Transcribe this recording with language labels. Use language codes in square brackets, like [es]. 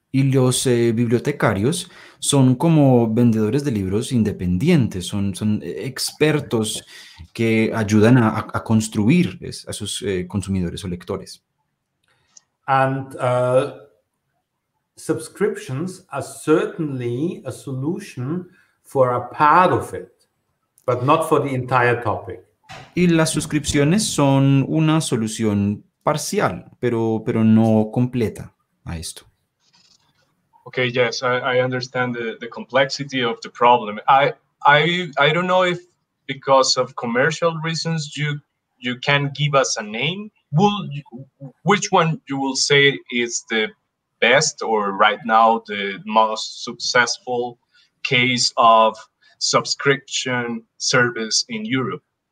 [es] Y los bibliotecarios son como vendedores de libros independientes, son expertos que ayudan a construir a sus consumidores o lectores. [en] And subscriptions are certainly a solution for a part of it, but not for the entire topic. [es] Y las suscripciones son una solución parcial, pero no completa a esto. [en] Okay, yes, I understand the complexity of the problem. I don't know if because of commercial reasons you can give us a name. Which one you will say is the best or right now the most successful case of subscription service in Europe?